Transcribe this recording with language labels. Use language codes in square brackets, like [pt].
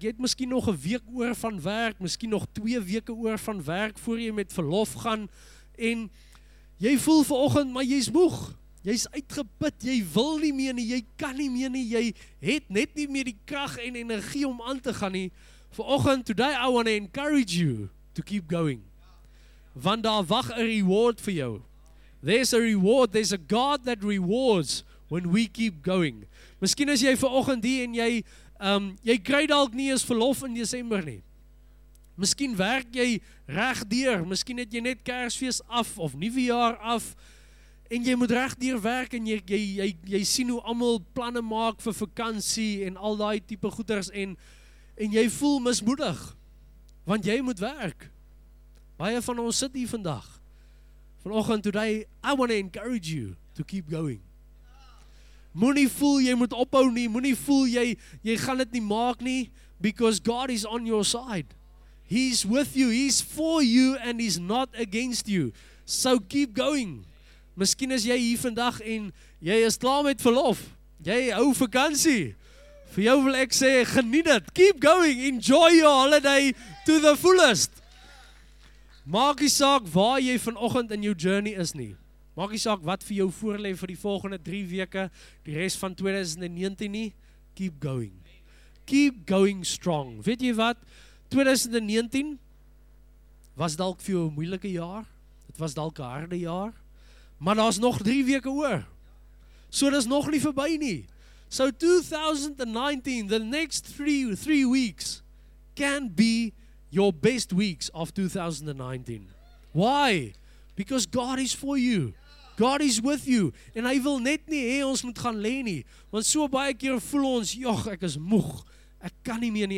[af] Jy het miskien nog 'n week oor van werk, miskien nog 2 weke oor van werk voor jy met verlof gaan en jy voel vanoggend maar jy's moeg. Jy's uitgeput, jy wil nie meer nie, jy kan nie meer nie, jy het net nie meer die krag en energie om aan te gaan nie. Vanoggend, [en] today I want to encourage you to keep going. [af] Want daar wag 'n reward vir jou. [en] There's a reward, there's a God that rewards when we keep going. [af] Miskien is jy vanoggend hier en jy kry dalk nie eens verlof in Desember nie. Miskien werk jy reg deur, miskien het jy net Kersfees af of Nuwejaar af. En jy moet reg deur werk en jy sien hoe almal planne maak vir vakansie en al daai tipe goeders en jy voel mismoedig want jy moet werk. Baie van ons sit hier vandag. Vanoggend [en] today I want to encourage you to keep going. [af] Moenie voel jy moet ophou nie, moenie voel jy gaan dit nie maak nie [en] because God is on your side. He's with you, he's for you and he's not against you. So keep going. [af] Miskien is jy hier vandag en jy is klaar met verlof. Jy hou vakansie. Vir jou wil ek sê, geniet dit. [en] Keep going. Enjoy your holiday to the fullest. [af] Maak nie saak waar jy vanoggend in jou journey is nie. Maak nie saak wat vir jou voorlê vir die volgende 3 weke, die res van 2019 nie. [en] Keep going. Keep going strong. [af] Weet jy wat? 2019 was dalk vir jou 'n moeilike jaar. Dit was dalk 'n harde jaar. Maar daar is nog 3 weke oor. So dit is nog nie verby nie. [en] So 2019, the next 3 weeks, can be your best weeks of 2019. Why? Because God is for you. God is with you. [af] En hy wil net nie hê ons moet gaan lê nie. Want so baie keer voel ons, joh, ek is moeg. Ek kan nie meer nie.